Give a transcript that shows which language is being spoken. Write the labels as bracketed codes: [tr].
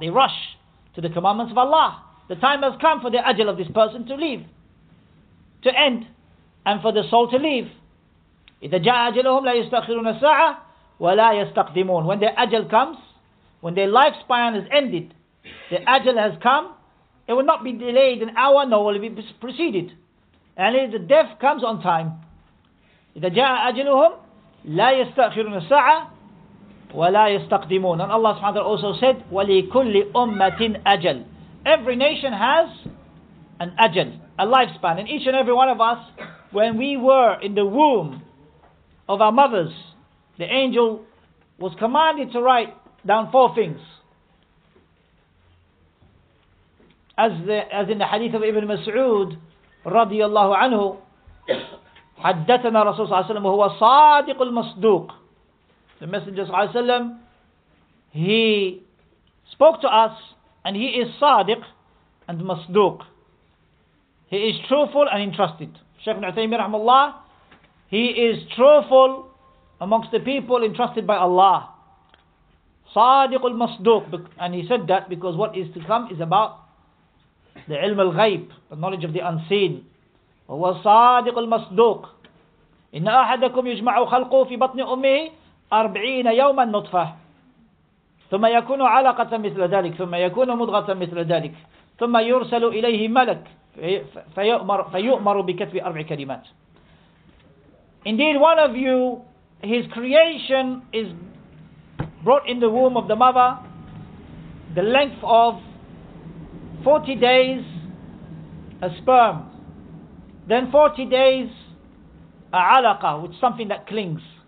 [en] They rush to the commandments of Allah. The time has come for the ajal of this person to leave, to end, and for the soul to leave. [ar] إِذَا جَاءَ أَجَلُهُمْ لَا يَسْتَأْخِرُونَ السَّاعَةَ وَلَا يَسْتَقْدِمُونَ. [en] When their ajal comes, when their lifespan has ended, the ajal has come, it will not be delayed an hour, nor will it be preceded. And if the death comes on time, [ar] إِذَا جَاءَ أَجَلُهُمْ لَا يَسْتَأْخِرُونَ السَّاعَةَ وَلَا يَسْتَقْدِمُونَ. [en] And Allah subhanahu wa ta'ala also said, [ar] وَلِكُلِّ أُمَّةٍ أَجَلٍ. [en] Every nation has an ajal, a lifespan. And each and every one of us, when we were in the womb of our mothers, the angel was commanded to write down four things. As in the hadith of Ibn Mas'ud, radiyallahu anhu, [ar] حَدَّتَنَا رَسُولُ صَلَّى اللَّهُ عَلَيْهِ وَسَلَّمُ هُوَ صَادِقُ الْمَصْدُوقِ. [en] The Messenger [ar] صلى الله عليه وسلم, [en] he spoke to us, and he is Sadiq and Masduq. He is truthful and entrusted. Shaykh ibn Uthaymeen rahmahullah, he is truthful amongst the people entrusted by Allah. Sadiq al-Masduq. And he said that because what is to come is about the ilm al-ghayb, the knowledge of the unseen. [ar] وَهُوَ صَادِقُ الْمَصْدُوقُ إِنَّ أَحَدَكُمْ يُجْمَعُ خَلْقُهُ فِي بَطْنِ أُمِّهِ أَرْبْعِينَ يَوْمًا نُطْفَةً ثم يكون علقة مثل ذلك ثم يكون مضغة مثل ذلك ثم يرسل إليه ملك فيؤمر بكتب أربع كلمات. [en] Indeed, one of you, his creation is brought in the womb of the mother the length of 40 days a sperm, then 40 days a alaqa, which is something that clings.